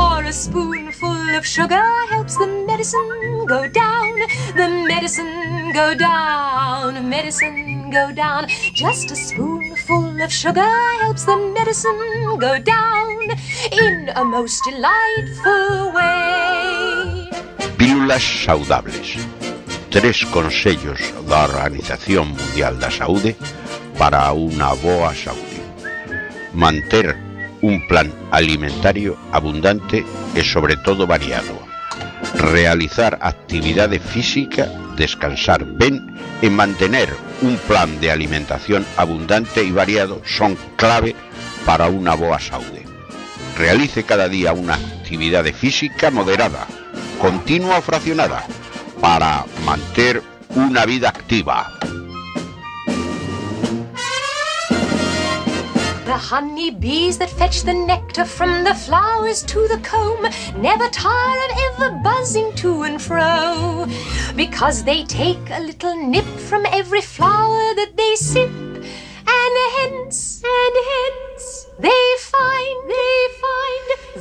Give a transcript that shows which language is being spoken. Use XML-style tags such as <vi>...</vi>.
<en>Sugar helps the medicine go down, the medicine go down, medicine go down. Just a spoonful of sugar helps the medicine go down in a most delightful way.</en> <gl>Pílulas saudables. Tres consellos da Organización Mundial da Saúde para unha boa saúde. Manter un plan alimentario abundante e, sobre todo, variado. Realizar actividade física, descansar ben e mantener un plan de alimentación abundante e variado son clave para unha boa saúde. Realice cada día unha actividade física moderada, continua ou fraccionada, para manter unha vida activa.</gl> <en>The honey bees that fetch the nectar from the flowers to the comb never tire of ever buzzing to and fro, because they take a little nip from every flower that they sip, and hence they find</en>